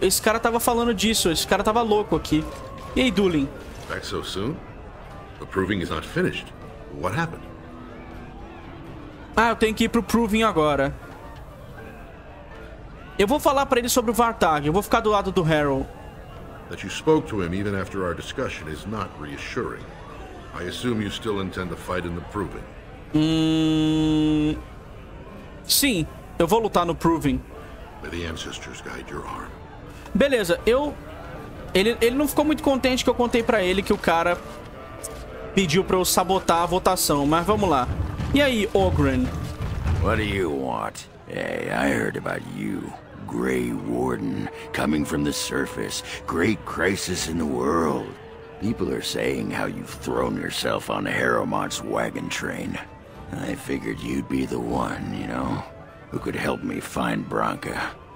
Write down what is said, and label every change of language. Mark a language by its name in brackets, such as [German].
[Portuguese] Esse cara tava falando disso, esse cara tava louco aqui. E aí, Dulin? [English] Back so soon? The proving is not finished. What happened? [Portuguese] Ah, eu tenho que ir pro Proving agora. Eu vou falar pra ele sobre o Vartag. Eu vou ficar do lado do Harold. [English] That you spoke to him even after our discussion is not reassuring. I assume you still intend to fight in the Proving. [Portuguese] Sim, eu vou lutar no Proving. [English] May the ancestors guide your arm. [Portuguese] Beleza, eu... Ele não ficou muito contente que eu contei pra ele que o cara pediu pra eu sabotar a votação, mas vamos lá. E aí, Ogryn? [English] What do you want? Hey, I heard about you, Grey Warden, coming from the surface. Great crisis in the world. People are saying how you've thrown yourself on Harrowmont's wagon train. I figured you'd be the one, you know, who could help me find Branka.